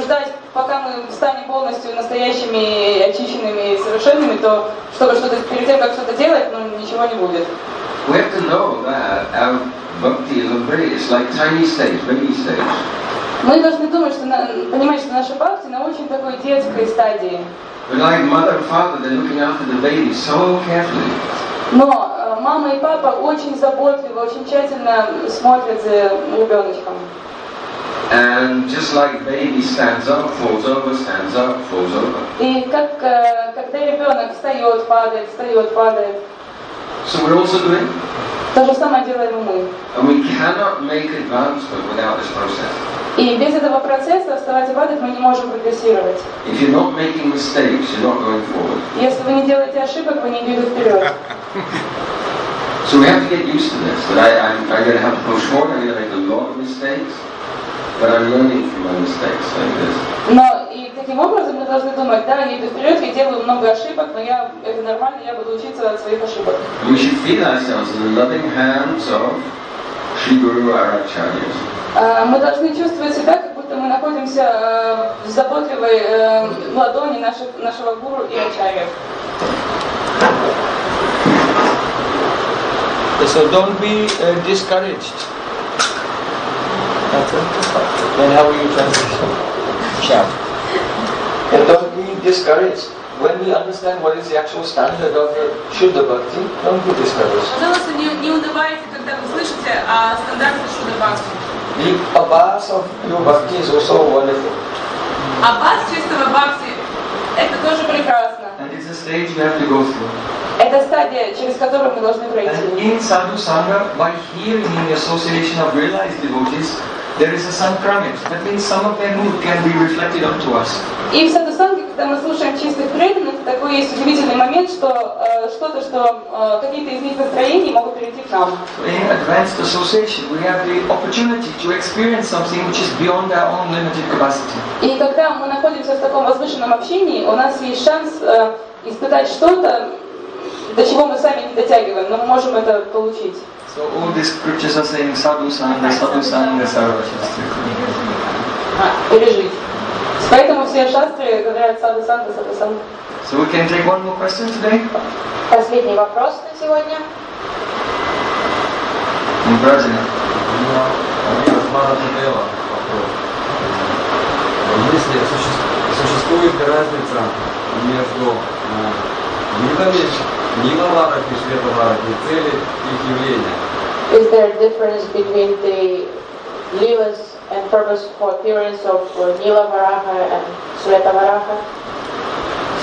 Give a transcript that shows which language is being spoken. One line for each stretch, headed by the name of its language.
Russian: ждать, пока мы станем полностью настоящими, очищенными и совершенными, то чтобы что-то перед тем, как что-то делать, ну ничего не будет.
English: We have to know that our bhakti is like tiny stage, baby stage.
Russian: Мы должны думать, что, понимать, что наши бхакти на очень такой детской стадии.
English: Like mother and father, they're looking after the baby so carefully.
Russian: Но мама и папа очень заботливо, очень тщательно смотрят за ребеночком.
English: And just like baby stands up, falls over, stands up, falls over.
Russian: И как когда ребенок встает, падает, встает, падает.
English: So we're also doing.
Russian: То же самое делаем мы.
English: And we cannot make advancement without this process.
Russian: И без этого процесса вставать и падать мы не можем прогрессировать.
English: If you're not making mistakes, you're not going forward.
Russian: Если вы не делаете ошибок, вы не идете вперед.
English: So we have to get used to this. That I'm going to have to push forward. I'm going to make a lot of mistakes. But I'm learning from my mistakes like this.
Russian: Но и таким образом мы должны думать, да, я иду вперед, я делаю много ошибок, но я это нормально, я буду учиться от своих ошибок.
English: We should feel ourselves in the loving hands of Sri Guru our acharyas.
Russian: Мы должны чувствовать себя, как будто мы находимся в заботливой ладони нашего гуру и ачарьев.
English: So don't be discouraged. Then how will you transition? Chant. And don't be discouraged. When we understand what is the actual standard of Shuddha Bhakti, don't be discouraged. The Abbas of pure Bhakti is also wonderful.
Russian: Abbas чистого Bhakti, это тоже прекрасно.
English: And it's a stage you have to go through.
Russian: Это стадия, через которую мы должны пройти.
English: And in Sadhu Sangha, by hearing in the association of realized devotees, there is a sankramit. That means some of their mood can be reflected onto us.
Russian: И в Sadhu Sangha, когда мы слушаем чистых преданных, такой есть удивительный момент, что что-то, что какие-то из них настроения могут перейти к нам.
English: In advanced association, we have the opportunity to experience something which is beyond our own limited capacity.
Russian: И когда мы находимся в таком возвышенном общении, у нас есть шанс испытать что-то, до чего мы сами не дотягиваем, но мы можем это получить.
English: So all these scriptures are saying sadhu sangha, sadhu sangha, sarva shastri.
Russian: Пережить. Поэтому все шастры говорят sadhu sangha, sadhu sangha.
English: So we can take one more question today?
Russian: Последний вопрос на сегодня. Не праздник. У меня Мадхава Джадева вопрос. Если существует разница между видами Нила Варак и Шрета Варак, и цели их явления.
English: Is there a difference between the livas and purpose for appearance of Nila Varaha and Shrita Varaha?